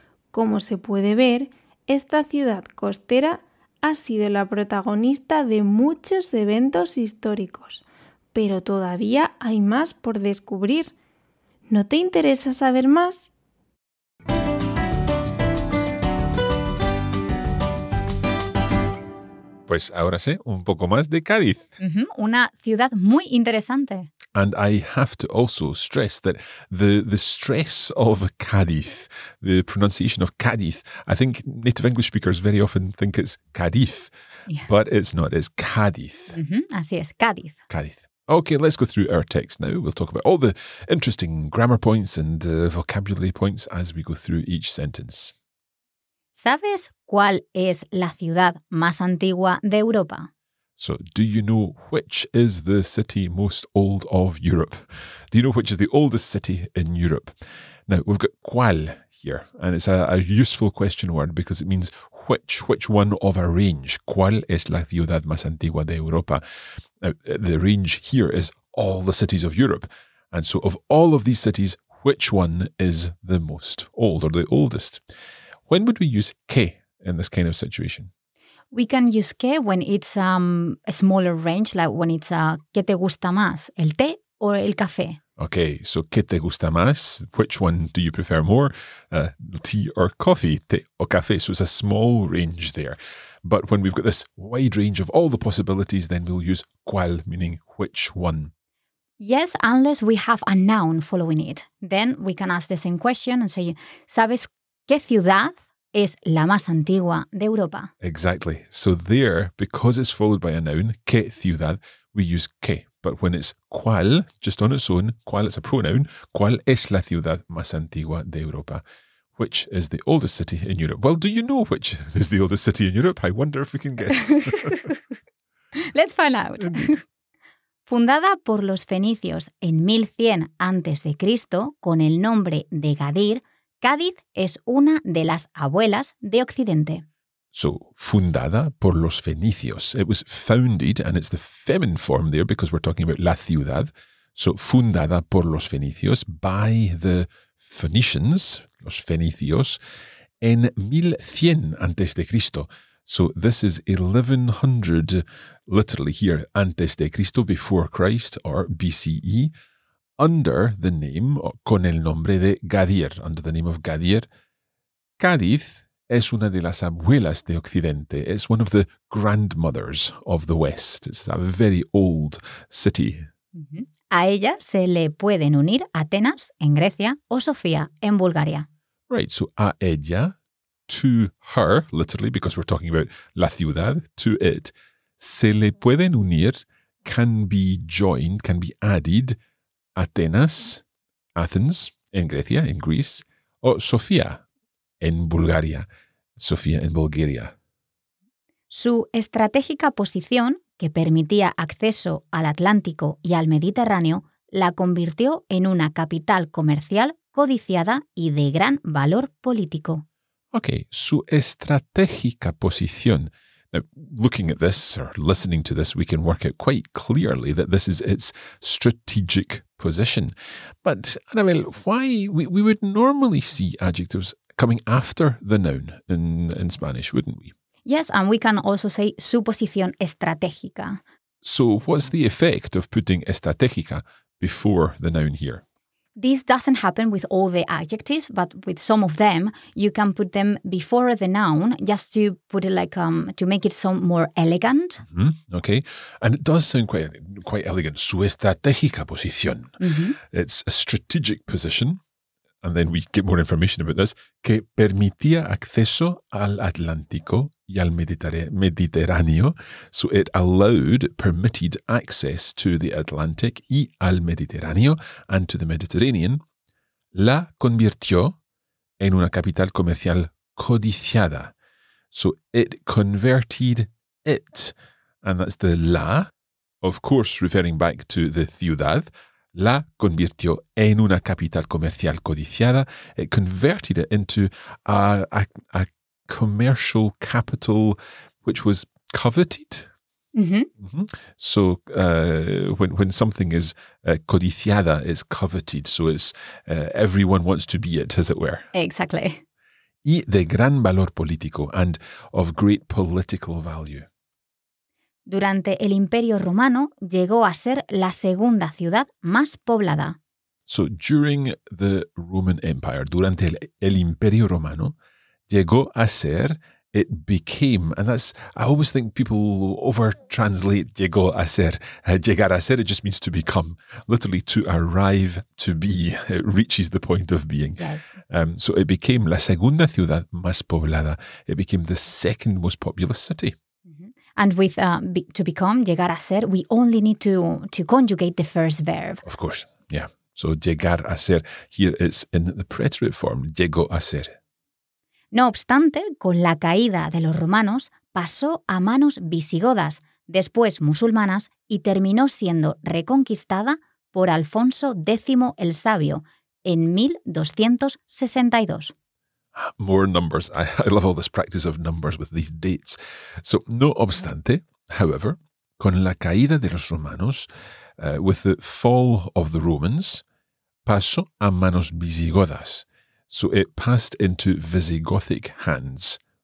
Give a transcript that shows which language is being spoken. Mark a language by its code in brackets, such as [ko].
[es] Como se puede ver, esta ciudad costera ha sido la protagonista de muchos eventos históricos, pero todavía hay más por descubrir. ¿No te interesa saber más? Pues ahora sé un poco más de Cádiz. Una ciudad muy interesante. [en] And I have to also stress that the stress of Cádiz, the pronunciation of Cádiz, I think native English speakers very often think it's Cádiz, yeah, but it's not. It's Cádiz. [es] Mm-hmm. Así es, Cádiz. Cádiz. [en] Okay, let's go through our text now. We'll talk about all the interesting grammar points and vocabulary points as we go through each sentence. [es] ¿Sabes cuál es la ciudad más antigua de Europa? [en] So, do you know which is the city most old of Europe? Do you know which is the oldest city in Europe? Now, we've got ¿cuál here? And it's a useful question word because it means which one of a range. [es] ¿Cuál es la ciudad más antigua de Europa? [en] Now, the range here is all the cities of Europe. And so, of all of these cities, which one is the most old or the oldest? When would we use ¿qué in this kind of situation? We can use que when it's a smaller range, like when it's a [es] ¿qué te gusta más, el té o el café? [en] Okay, so [es] ¿qué te gusta más? [en] Which one do you prefer more, tea or coffee, [es] té o café? [en] So it's a small range there. But when we've got this wide range of all the possibilities, then we'll use ¿cuál, meaning which one? Yes, unless we have a noun following it. Then we can ask the same question and say, [es] ¿sabes qué ciudad es la más antigua de Europa? [en] Exactly. So there, because it's followed by a noun, [es] ¿qué ciudad?, [en] we use ¿qué? But when it's ¿cuál?, just on its own, ¿cuál?, it's a pronoun, [es] ¿cuál es la ciudad más antigua de Europa? [en] Which is the oldest city in Europe? Well, do you know which is the oldest city in Europe? I wonder if we can guess. Let's find out. [es] Fundada por los fenicios en 1100 antes de Cristo con el nombre de Gadir, Cádiz es una de las abuelas de Occidente. So, fundada por los fenicios. [en] It was founded, and it's the feminine form there because we're talking about la ciudad. [es] So, fundada por los fenicios, [en] by the Phoenicians, [es] los fenicios, en 1100 antes de Cristo. [en] So, this is 1100, literally here, [es] antes de Cristo, [en] before Christ, or BCE. Under the name, [es] con el nombre de Gadir, [en] under the name of [es] Gadir, Cádiz es una de las abuelas de Occidente. [en] It's one of the grandmothers of the West. It's a very old city. Mm-hmm. [es] A ella se le pueden unir Atenas en Grecia o Sofía en Bulgaria. [en] Right, so [es] a ella, [en] to her, literally, because we're talking about la ciudad, to it, [es] se le pueden unir, [en] can be joined, can be added, Atenas, Athens, [es] en Grecia, [en] in Greece, o Sofía, en Bulgaria, Sofía en Bulgaria. [es] Su estratégica posición, que permitía acceso al Atlántico y al Mediterráneo, la convirtió en una capital comercial codiciada y de gran valor político. Okay, su estratégica posición. [en] Looking at this or listening to this, we can work out quite clearly that this is its strategic position. But, Anabel, why? We would normally see adjectives coming after the noun in Spanish, wouldn't we? Yes, and we can also say [es] su posición estratégica. [en] So what's the effect of putting estratégica before the noun here? This doesn't happen with all the adjectives, but with some of them, you can put them before the noun just to put it like, to make it some more elegant. Mm-hmm. Okay. And it does sound quite elegant. [es] Su estratégica posición. Mm-hmm. [en] It's a strategic position. And then we get more information about this. [es] Que permitía acceso al Atlántico y al Mediterráneo. [en] So it allowed, permitted access to the Atlantic [es] y al Mediterráneo [en] and to the Mediterranean. [es] La convirtió en una capital comercial codiciada. [en] So it converted it. And that's the la, of course, referring back to the ciudad. [es] La convirtió en una capital comercial codiciada. [en] It converted it into a commercial capital which was coveted. Mm-hmm. Mm-hmm. So when something is codiciada, it's coveted. So it's everyone wants to be it, as it were. Exactly. [es] Y de gran valor político, [en] and of great political value. [es] Durante el Imperio Romano, llegó a ser la segunda ciudad más poblada. [en] So, during the Roman Empire, [es] durante el Imperio Romano, llegó a ser [en] it became. And that's, I always think people over-translate [es] llegó a ser. Llegar a ser, [en] it just means to become. Literally, to arrive, to be. It reaches the point of being. Yes. So it became [es] la segunda ciudad más poblada. [en] It became the second most populous city. And with to become, [es] llegar a ser, [en] we only need to conjugate the first verb. Of course, yeah. So [es] llegar a ser, [en] here it's in the preterite form, [es] llegó a ser. No obstante, con la caída de los romanos, pasó a manos visigodas, después musulmanas, y terminó siendo reconquistada por Alfonso X el Sabio en 1262. [en] More numbers. I love all this practice of numbers with these dates. So, [es] no obstante, [en] however, [es] con la caída de los romanos, [en] with the fall of the Romans, [es] pasó a manos visigodas. [en] So, it passed into Visigothic hands.